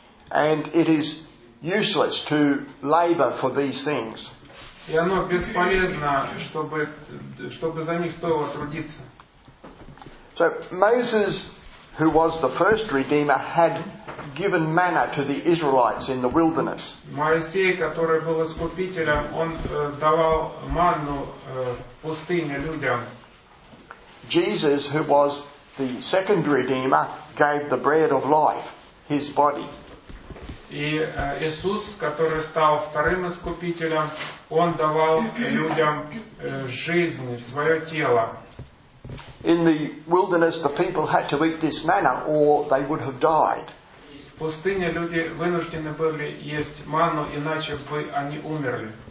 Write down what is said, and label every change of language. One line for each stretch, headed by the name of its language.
English: And it is useless to labor for these things.
Russian: И оно бесполезно, чтобы за них стоило трудиться.
English: So Moses, who was the first redeemer, had given manna to the Israelites in the wilderness.
Russian: Моисей, который был искупителем, он давал манну пустыне людям.
English: Jesus, who was the second redeemer, gave the bread of life, his body.
Russian: И Иисус, который стал вторым искупителем, он давал людям жизнь, свое тело.
English: In the wilderness, the people had to eat this manna, or they would have died.
Russian: В пустыне люди вынуждены были есть манну, иначе бы они умерли.